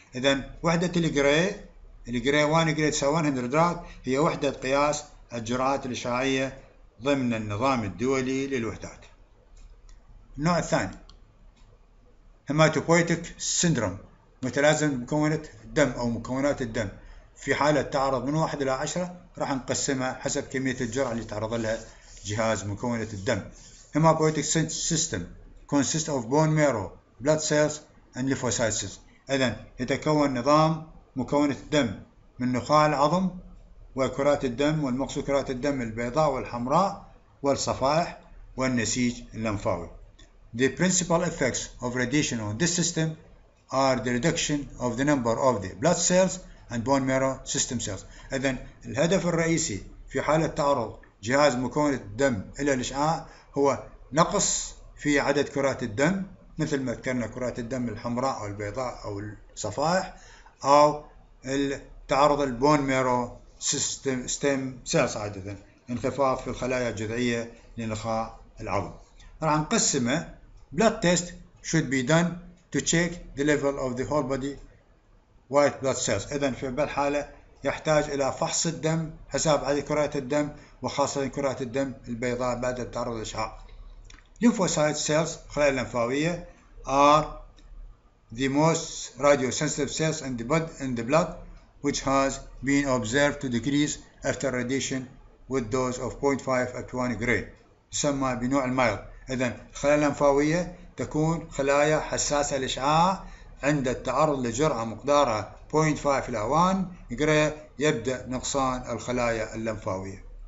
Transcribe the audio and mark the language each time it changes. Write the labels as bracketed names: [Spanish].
[Arabic] إذا وحدة الجراي 1 جرى تساوي 100 درات هي وحدة قياس الجرعات الإشعاعية ضمن النظام الدولي للوحدات. النوع الثاني هيماتوبويتك سيندروم متلازمة مكونة الدم أو مكونات الدم، في حالة تعرض من 1 إلى 10 راح نقسمها حسب كمية الجرعة اللي تعرض لها جهاز مكونة الدم. [English] Hematopoietic system consists of bone marrow, blood cells and lymphocytes. [Arabic] إذن يتكون نظام مكونة الدم من نخاع العظم وكرات الدم، والمقصود كرات الدم البيضاء والحمراء والصفائح والنسيج اللمفاوي. [English] The principal effects of radiation on this system are the reduction of the number of the blood cells and bone marrow system cells. [Arabic] إذن الهدف الرئيسي في حالة تعرض جهاز مكون الدم إلى الإشعاع هو نقص في عدد كرات الدم، مثل ما ذكرنا كرات الدم الحمراء أو البيضاء أو الصفائح، أو تعرض البون ميرو ستيم سيلز عادة، انخفاض في الخلايا الجذعية لنخاع العظم. راح نقسمه [English] blood test should be done to check the level of the whole body white blood cells. [Arabic] إذن في بالحالة يحتاج إلى فحص الدم حساب عدد كرات الدم وخاصة كرات الدم البيضاء بعد التعرض للإشعاع. [English] Lymphocyte cells [Arabic] خلايا لمفاوية [English] are the most radiosensitive cells in the blood, which has been observed to decrease after radiation with dose of 0.5 up to 1 gray. [Arabic] يسمى بنوع المايل. إذن خلايا لمفاوية تكون خلايا حساسة للإشعاع عند التعرض لجرعة مقدارها 0.5 إلى 1 جراي يبدأ نقصان الخلايا اللمفاوية.